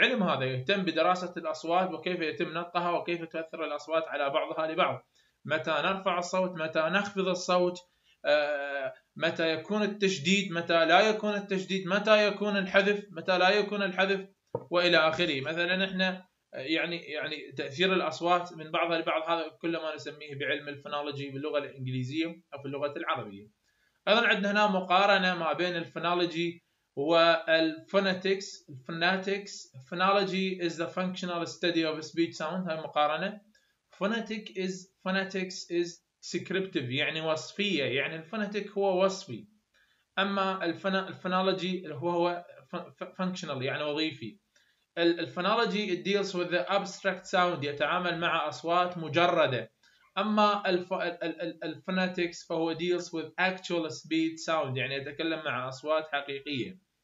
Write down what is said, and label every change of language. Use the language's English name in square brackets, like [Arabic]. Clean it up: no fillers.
[Arabic] علم هذا يهتم بدراسة الأصوات وكيف يتم نطقها وكيف تؤثر الأصوات على بعضها لبعض، متى نرفع الصوت، متى نخفض الصوت، متى يكون التشديد، متى لا يكون التشديد، متى يكون الحذف، متى لا يكون الحذف، وإلى آخره. مثلا إحنا يعني تأثير الأصوات من بعضها لبعض، هذا كل ما نسميه بعلم الفونولوجي باللغة الإنجليزية أو في اللغة العربية. أيضا عندنا هنا مقارنة ما بين الفونولوجي والفونيتكس. [English] الفونيتكس phonology is the functional study of speech sound. [Arabic] هاي مقارنة. [English] phonetics is descriptive، [Arabic] يعني وصفية، يعني الفونيتك هو وصفي، أما الفونولوجي هو functional يعني وظيفي. الفونولوجي [English] deals with the abstract sound، [Arabic] يتعامل مع أصوات مجردة، أما الفونيتكس فهو [English] deals with actual speech sound، [Arabic] يعني يتكلم مع أصوات حقيقية.